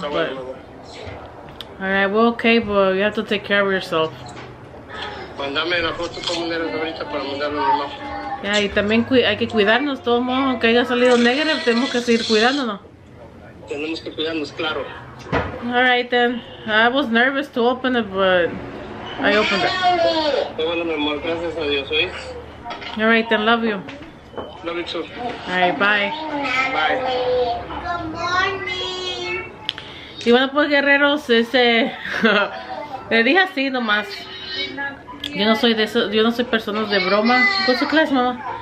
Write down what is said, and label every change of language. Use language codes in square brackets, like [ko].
[en] but all right, we're okay, but you have to take care of yourself. [es] Mándame la foto como eres ahorita para mandarlo a mi mamá. Yeah, y también hay que cuidarnos, todo modo, aunque haya salido negro, tenemos que seguir cuidándonos. Tenemos que cuidarnos, claro. [en] All right then, I was nervous to open it, but I opened it. [es] Todo bueno, mi amor, gracias a Dios, ¿oís? [en] All right then, love you. Love you too. All right, bye. Good morning. [es] Y bueno, pues guerreros, le dije así nomás. Yo no soy de eso, yo no soy persona de broma. ¿Cuál es su clase, mamá?